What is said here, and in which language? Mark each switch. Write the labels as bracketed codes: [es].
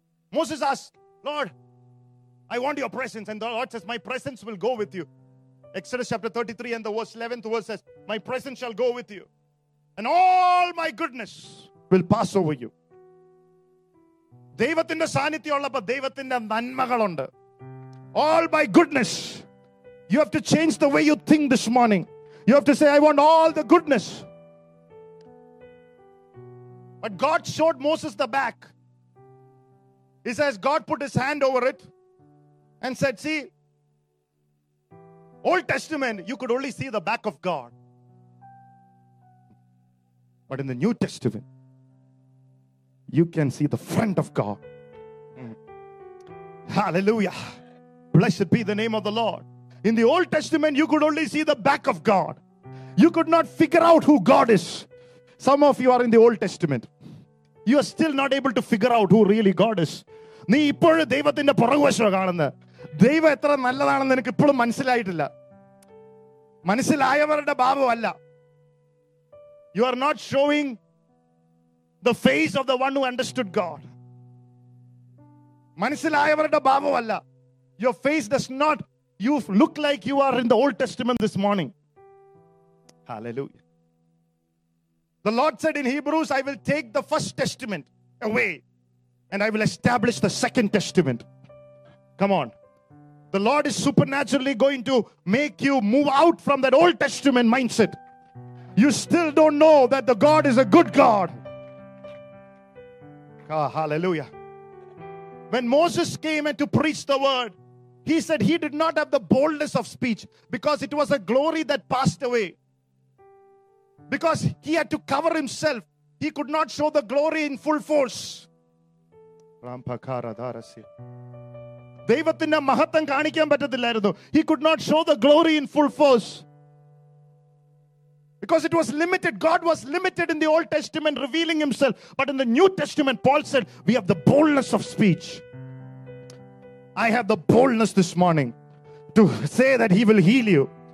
[en] Moses asked, Lord, I want your presence. And the Lord says, my presence will go with you. Exodus chapter 33 and the verse 11th verse says, my presence shall go with you. And all my goodness will pass over you. [ml] ദൈവത്തിന്റെ സാന്നിധ്യം ഉള്ളപ്പോ ദൈവത്തിന്റെ നന്മകളുണ്ട്. [en] All my goodness. You have to change the way you think this morning. You have to say I want all the goodness. But God showed Moses the back. He says God put his hand over it and said see Old Testament you could only see the back of God. But in the New Testament you can see the front of God. Hallelujah. Blessed be the name of the Lord. In the Old Testament, you could only see the back of God. You could not figure out who God is. Some of you are in the Old Testament. You are still not able to figure out who really God is. [ml] നീ ഇപ്പോഴും ദൈവത്തിന്റെ പുറകുവശം കാണുന്നു. ദൈവം എത്ര നല്ലതാണെന്ന് നിനക്ക് ഇപ്പോഴും മനസ്സിലായിട്ടില്ല. മനസ്സിലായവരുടെ ഭാവമല്ല. [en] You are not showing the face of the one who understood God. [ml] Manasilayavarada bhavamalla. [en] Your face does not, you look like you are in the Old Testament this morning. Hallelujah. The Lord said in Hebrews, I will take the first testament away and I will establish the second testament. Come on. The Lord is supernaturally going to make you move out from that Old Testament mindset. You still don't know that the God is a good God. Oh, hallelujah. When Moses came and to preach the word, he said he did not have the boldness of speech because it was a glory that passed away. Because he had to cover himself, he could not show the glory in full force. Rampakara darasi. [ml] ദൈവത്തിന്റെ മഹത്വം കാണിക്കാൻ പറ്റത്തില്ലായിരുന്നു. [en] He could not show the glory in full force. Because it was limited. God was limited in the Old Testament revealing himself. But in the New Testament, Paul said, we have the boldness of speech. I have the boldness this morning to say that he will heal you.